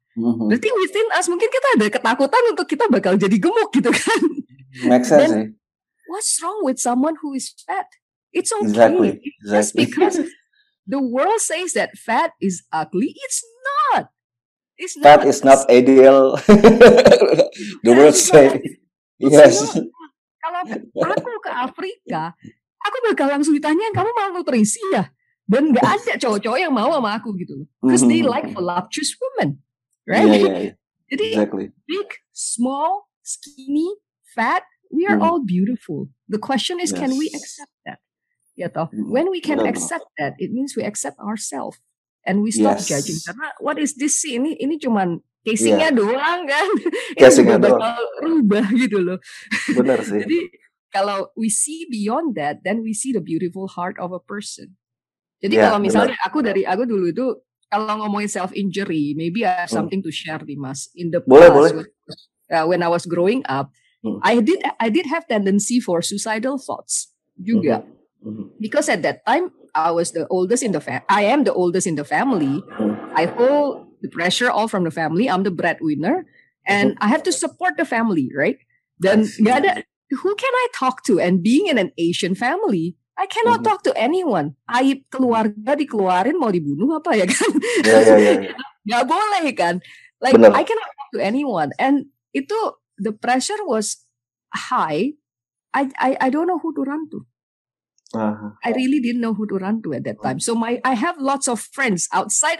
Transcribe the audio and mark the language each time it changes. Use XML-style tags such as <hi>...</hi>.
<id>Berarti</id> <en>within us,</en> <id>mungkin kita ada ketakutan untuk kita bakal jadi gemuk gitu kan.</id> <en>Makes sense. Then, what's wrong with someone who is fat? It's okay. Exactly. Just because the world says that fat is ugly, it's not. That is not ideal. The world say yes.</en> <id>Kalau aku ke Afrika, aku bakal langsung ditanyain, kamu malnutrisi ya? Dan gak ada cowok-cowok yang mau sama aku gitu.</id> <en>Because they like voluptuous women. Right? Yeah, yeah, yeah.</en> <id>Jadi</id> <en>exactly. Big, small, skinny, fat, we are all beautiful. The question is, can we accept that?</en> <id>Ya toh.</id> <en>When we can accept that, it means we accept ourselves. And we stop judging.</en> <id>Karena</id> <en>what is this</en> <id>sih? Ini cuman casingnya doang kan? Casingnya doang. Bakal rubah gitu loh. Benar sih. Jadi kalau</id> <en>we see beyond that, then we see the beautiful heart of a person.</en> <id>Jadi kalau misalnya aku dulu itu, kalau ngomongin self-injury,</id> <en>maybe I have something to share,</en> <id>Dimas.</id> <en>In the past, when I was growing up, I did have tendency for suicidal thoughts juga. Because at that time, I was the oldest in the I am the oldest in the family. I hold the pressure all from the family. I'm the breadwinner. And I have to support the family, right? Then, who can I talk to? And being in an Asian family, I cannot talk to anyone.</en> <id>Aib keluarga dikeluarin mau dibunuh apa ya kan? Gak boleh kan? Like, benar.</id> <en>I cannot talk to anyone. And itu, the pressure was high. I don't know who to run to. Uh-huh. I really didn't know who to run to at that time. So I have lots of friends outside.</en>